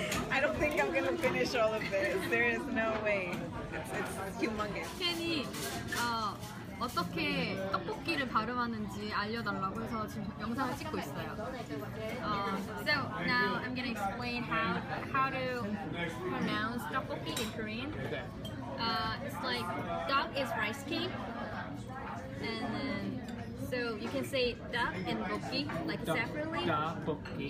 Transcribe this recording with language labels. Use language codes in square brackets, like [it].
[en] I don't think I'm going to finish all of this. There is no way. It's humongous. [ko] Kenny, 어떻게 떡볶이를 발음하는지 알려달라고 해서 지금 영상을 찍고 있어요. [en] So now I'm gonna explain how to pronounce 떡볶이 in Korean. It's like duck is rice cake, and then so you can say duck and 볶이 like separately. [ko] 떡볶이.